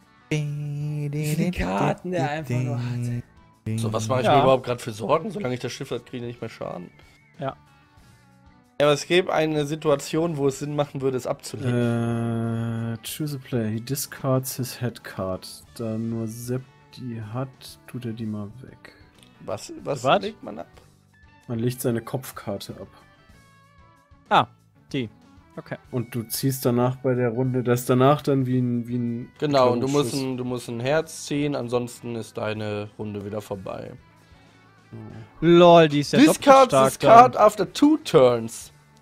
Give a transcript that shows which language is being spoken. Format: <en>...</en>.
<de>Die Karten, der einfach nur hat. So, was mache ich mir überhaupt gerade für Sorgen? Solange ich das Schiff hat, kriege ich nicht mehr Schaden. Ja. Ja, aber es gäbe eine Situation, wo es Sinn machen würde, es abzulegen.</de> <en>Choose a player. He discards his head card.</en> <de>Da nur Sepp die hat, tut er die mal weg. Was legt man ab? Man legt seine Kopfkarte ab. Ah, die. Okay. Und du ziehst danach bei der Runde das danach dann wie ein genau, und du musst ein Herz ziehen, ansonsten ist deine Runde wieder vorbei. Lol, die ist ja doppelt stark.</de> <en>Discards this card after 2 turns.</en>